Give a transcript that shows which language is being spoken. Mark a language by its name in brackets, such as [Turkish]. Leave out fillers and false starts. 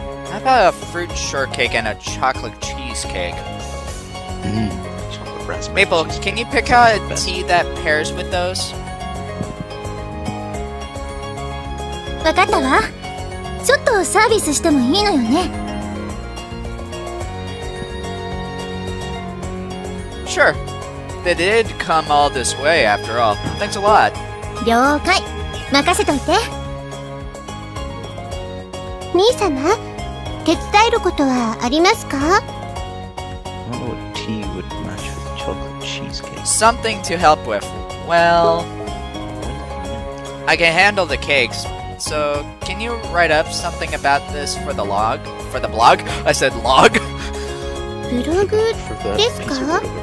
[English] How about a fruit shortcake and a chocolate cheesecake? Chocolate raspberry. Maple, can you pick out a tea that pairs with those? [Japanese] わかったわ。ちょっとサービスしてもいいのよね。 [English] Sure. They did come all this way, after all. Thanks a lot. [Japanese] 了解。任せといて。兄様、手伝えることはありますか？ [English] I wonder what tea would match with chocolate cheesecake. Something to help with. Well, I can handle the cakes. So, can you write up something about this for the log? For the blog? I said log. Blog? [Japanese] Desu ka?